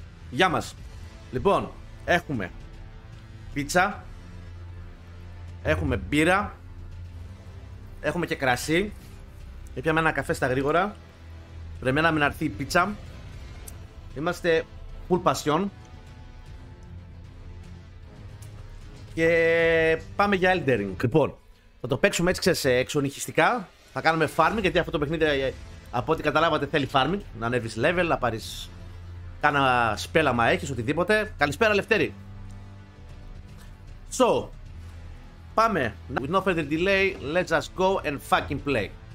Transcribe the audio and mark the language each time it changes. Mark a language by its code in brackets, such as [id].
[el] Γεια μας. Λοιπόν, έχουμε πίτσα. Έχουμε μπύρα. Έχουμε και κρασί. Έπιαμε ένα καφέ στα γρήγορα. Περιμέναμε να έρθει η πίτσα. Είμαστε full passion. Και πάμε για Elden Ring. Λοιπόν, θα το παίξουμε έτσι ξέρετε εξονυχιστικά. Θα κάνουμε farming γιατί αυτό το παιχνίδι από ό,τι καταλάβατε θέλει farming. Να ανέβεις level, να πάρεις κάνα σπέλαμα έχεις, οτιδήποτε. Καλησπέρα Λευτέρη. So, πάμε. [en] With no further delay, let's just go and fucking play.